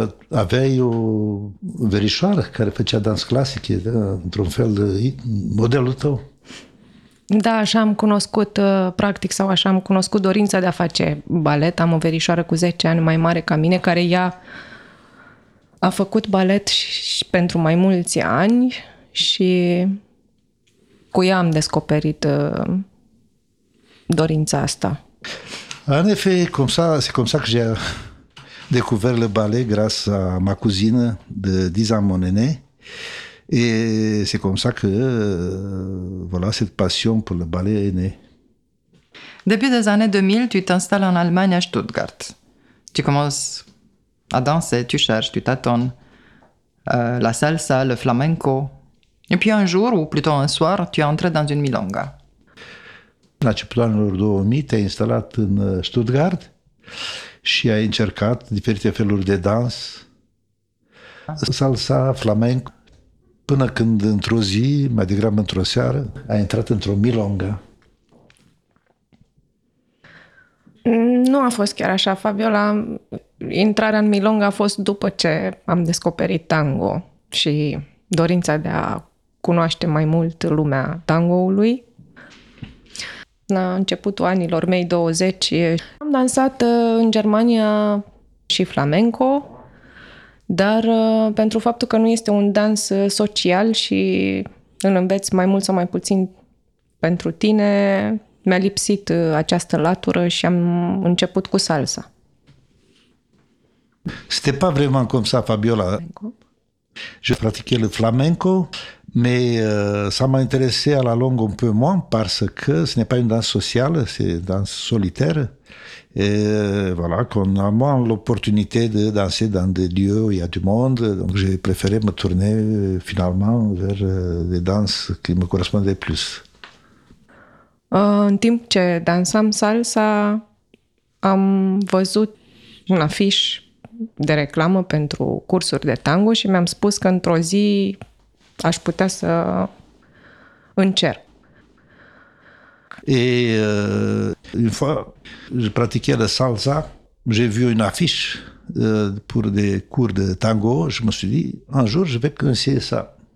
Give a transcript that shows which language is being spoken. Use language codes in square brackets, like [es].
[ro] Avait o verișoară care făcea dans clasic, da, într-un fel de modelul tău. Da, așa am cunoscut, practic, sau așa am cunoscut dorința de a face balet. Am o verișoară cu 10 ani mai mare ca mine, care ea a făcut balet și pentru mai mulți ani și cu ea am descoperit dorința asta. [fr] În effet, c'est comme ça que j'ai découvert le ballet grâce à ma cousine de 10 ans, mon aînée. Et c'est comme ça que voilà, cette passion pour le ballet est née. Depuis les années 2000, tu t'installes en Allemagne à Stuttgart. Tu commences à danser, tu cherches, tu tâtonnes. La salsa, le flamenco. Et puis un jour, ou plutôt un soir, tu entres dans une milonga. [ro] La început anilor 2000, [fr] tu t'es installé en Stuttgart. [ro] Și ai încercat diferite feluri de dans, salsa, flamenco, până când într-o zi, mai degrabă într-o seară, ai intrat într-o milonga. Nu a fost chiar așa, Fabiola. Intrarea în milonga a fost după ce am descoperit tango și dorința de a cunoaște mai mult lumea tangoului. La începutul anilor mei 20 am dansat în Germania și flamenco, dar pentru faptul că nu este un dans social și îl înveți mai mult sau mai puțin pentru tine, mi-a lipsit această latură și am început cu salsa. [fr] C'était pas vraiment comme ça, Fabiola. Je pratiquais le flamenco. Mais ça m'a intéressé à la longue un peu moins parce que ce n'est pas une danse sociale, c'est une danse solitaire. Et voilà, qu'on a moins l'opportunité de danser dans des lieux où il y a du monde. Donc j'ai préféré me tourner finalement vers des danses qui me correspondaient plus. [ro] În timp ce dansam salsa, am văzut un afiș de reclamă pentru cursuri de tango și mi-am spus că într-o zi aș putea să în cer. [fr] Et une fois, je pratiquais la salsa, j'ai vu une affiche pour des cours de tango, je me suis dit, un jour, je vais conseiller ça.